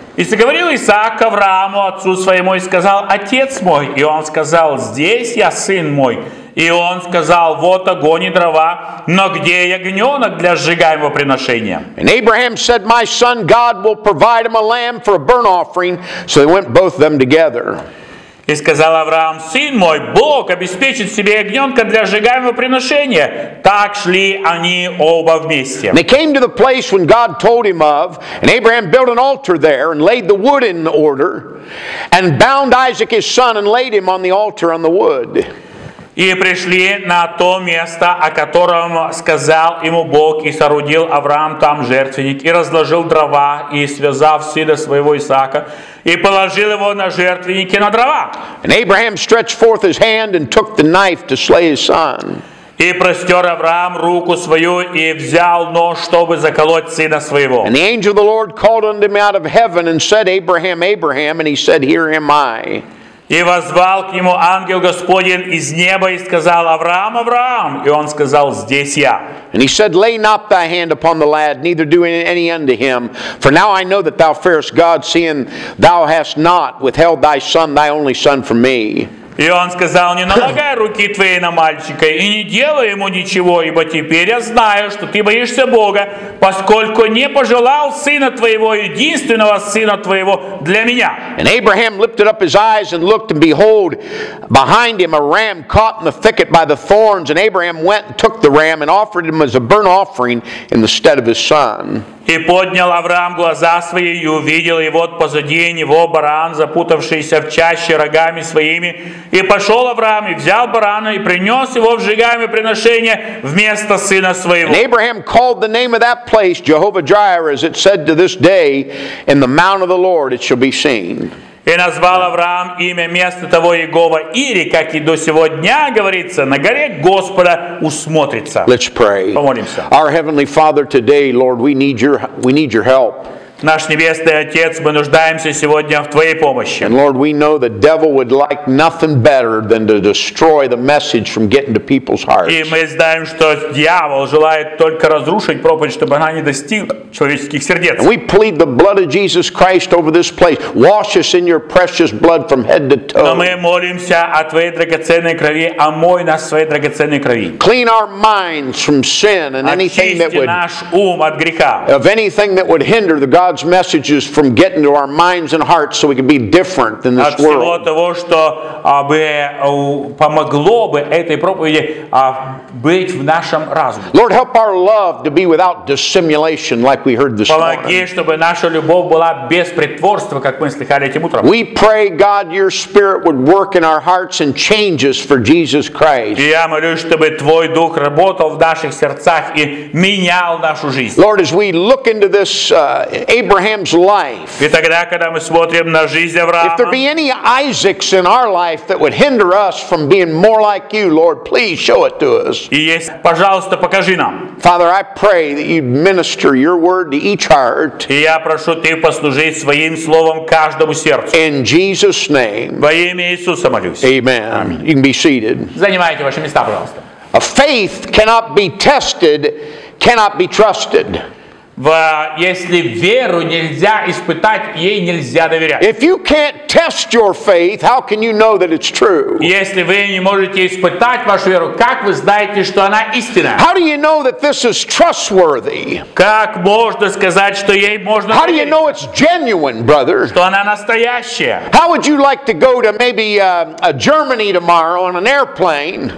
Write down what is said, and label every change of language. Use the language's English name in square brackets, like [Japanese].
[Russian] И заговорил Исаак Аврааму, отцу своему, и сказал, Отец мой. И он сказал, Здесь я, сын мой. И он сказал, вот огонь и дрова, но где ягненок для сжигаемого приношения? [English] And Abraham said, My son, God will provide him a lamb for a burnt offering. So they went both them together. [Russian] И сказал Авраам, сын мой, Бог обеспечит себе ягненка для сжигаемого приношения. Так шли они оба вместе. [English] And they came to the place when God told him of, and Abraham built an altar there, and laid the wood in order, and bound Isaac his son, and laid him on the altar on the wood. [Russian] И пришли на то место, о котором сказал ему Бог, и соорудил Авраам там жертвенник, и разложил дрова, и связав сына своего Исаака, и положил его на жертвенник и на дрова. [English] And Abraham stretched forth his hand and took the knife to slay his son. [Russian] И простер Авраам руку свою и взял нож, чтобы заколоть сына своего. [English] And the angel of the Lord called unto him out of heaven and said, Abraham, Abraham, and he said, Here am I. [Russian] И воззвал к нему ангел Господень из неба и сказал, Авраам, Авраам. И он сказал, Здесь я. [English] And he said, Lay not thy hand upon the lad, neither do any unto him. For now I know that thou fearest God, seeing thou hast not withheld thy son, thy only son, from me. [Russian] И он сказал, не налагай руки твои на мальчика и не делай ему ничего, ибо теперь я знаю, что ты боишься Бога, поскольку не пожелал сына твоего, единственного сына твоего для меня. [English] And Abraham lifted up his eyes and looked, and behold, behind him a ram caught in the thicket by the thorns, and Abraham went and took the ram and offered him as a burnt offering in the stead of his son. [Russian] И поднял Авраам глаза свои и увидел, и вот позади него баран, запутавшийся в чаще рогами своими. И пошел Авраам и взял барана и принес его в сжигаемое приношение вместо сына своего. [English] And Abraham called the name of that place Jehovah Jireh, as it said to this day, in the mount of the Lord it shall be seen. [Russian] И назвал Авраам имя места того Иегова Ири, как и до сего дня говорится, на горе Господа усмотрится. [English] Let's pray. [Russian] Помолимся. [English] Our heavenly Father, today, Lord, we need your help. [Russian] Наш небесный Отец, мы нуждаемся сегодня в твоей помощи. [English] And Lord, we know the devil would like nothing better than to destroy the message from getting to people's hearts. [Russian] И мы знаем, что дьявол желает только разрушить проповедь, чтобы она не достигла человеческих сердец. [English] And we plead the blood of Jesus Christ over this place. Wash us in your precious blood from head to toe. [Russian] Но мы молимся о твоей драгоценной крови, омой нас своей драгоценной крови. [English] Clean our minds from sin and anything that would [Russian] очисти наш ум от греха. [English] Of anything that would hinder the God God's messages from getting to our minds and hearts so we can be different than this world. [Russian] От всего того, что бы помогло бы этой проповеди быть в нашем разуме. [English] Lord, help our love to be without dissimulation like we heard this morning. [Russian] Помоги, чтобы наша любовь была без притворства, как мы слыхали этим утром. [English] We pray, God, your spirit would work in our hearts and change us for Jesus Christ. [Russian] Я молюсь, чтобы твой дух работал в наших сердцах и менял нашу жизнь. [English] Lord, as we look into this Abraham's life. [Russian] И тогда, когда мы смотрим на жизнь Авраама. [English] If there be any Isaacs in our life that would hinder us from being more like you, Lord, please show it to us. [Russian] И есть, пожалуйста, покажи нам. [English] Father, I pray that you'd minister your word to each heart. [Russian] И я прошу, ты послужить своим словом каждому сердцу. [English] In Jesus' name. [Russian] Во имя Иисуса молюсь. [English] Amen. [Russian] Аминь. [English] You can be seated. [Russian] Занимайте ваши места, пожалуйста. [English] A faith cannot be tested, cannot be trusted. [Russian] Если веру нельзя испытать, ей нельзя доверять. [English] If you can't test your faith, how can you know that it's true? [Russian] Если вы не можете испытать вашу веру, как вы знаете, что она истинна? [English] How do you know that this is trustworthy? [Russian] Как можно сказать, что ей можно верить? [English] How do you know it's genuine, brother? [Russian] Что она настоящая? [English] How would you like to go to maybe Germany tomorrow on an airplane?